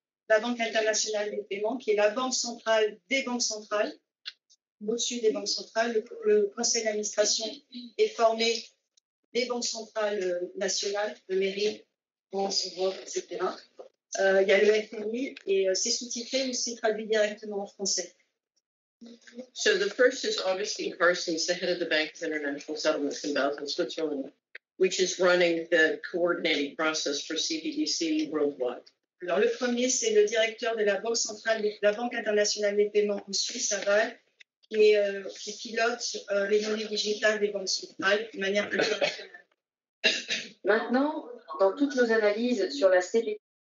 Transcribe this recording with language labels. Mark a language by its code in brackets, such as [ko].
[fr] La Banque internationale des paiements, qui est la banque centrale des banques centrales, au-dessus des banques centrales, le conseil d'administration est formé des banques centrales nationales, le mairie, France, Europe, etc. Il y a le FMI et c'est sous-titré ou c'est traduit directement en français. [en] So the first is Augustine Carstens, the head of the Bank of International Settlements in Basel, Switzerland. which is running the coordinating process for CBDC worldwide. [fr] Alors le premier, c'est le directeur de la Banque centrale, de la Banque internationale des paiements en Suisse, aval, qui pilote les données digitales des banques centrales de manière plus internationale. Maintenant, dans toutes nos analyses sur la CBDC,